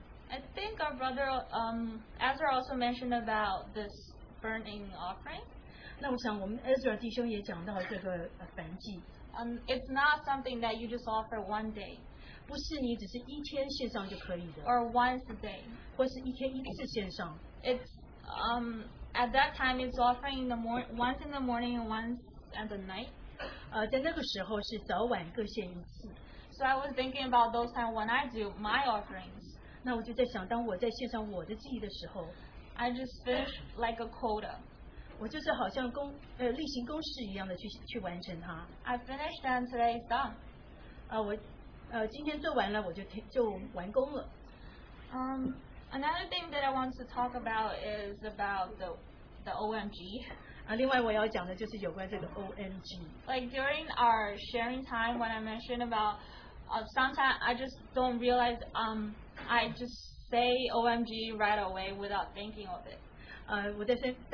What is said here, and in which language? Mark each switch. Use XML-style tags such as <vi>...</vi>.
<en>I think our brother Ezra also mentioned about this burning offering.</en> <zh>那我想我们 Ezra 弟兄也讲到这个燔祭。</zh> <en>It's not something that you just offer one day.</en> <zh>不是你只是一天献上就可以的,</zh> <en>or once a day.</en> <zh>或是一天一次献上,</zh> <en>it's at that time it's offering in the once in the morning and once at the night.</en> <zh>在那个时候是早晚各献一次。</zh> <en>So I was thinking about those times when I do my offerings.</en> <zh>那我就在想，当我在献上我的记忆的时候，</zh> <en>I just finish like a quota.</en> <zh>我就是好像例行公事一样的去完成它。</zh> <en>I finished and today is done.</en> <zh>我今天做完了，我就完工了。</zh> <en>Another thing that I want to talk about is about the OMG.</en> <zh>另外我要讲的就是有关这个OMG。</zh> <en>Like during our sharing time, when I mentioned about sometimes I just don't realize I just say OMG right away without thinking of it.</en>